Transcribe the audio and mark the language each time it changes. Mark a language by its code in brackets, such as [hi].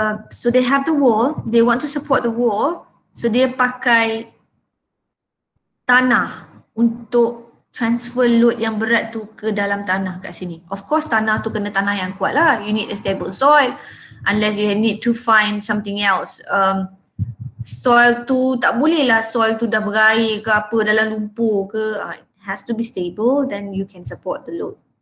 [en] So, they have the wall, they want to support the wall. [ms] So, dia pakai tanah untuk transfer load yang berat tu ke dalam tanah kat sini. [en] Of course, [ms] tanah tu kena tanah yang kuat lah. [en] You need a stable soil unless you need to find something else. [ms] Soil tu tak boleh lah soil tu dah berair ke apa dalam lumpur ke. [en] It has to be stable, then you can support the load.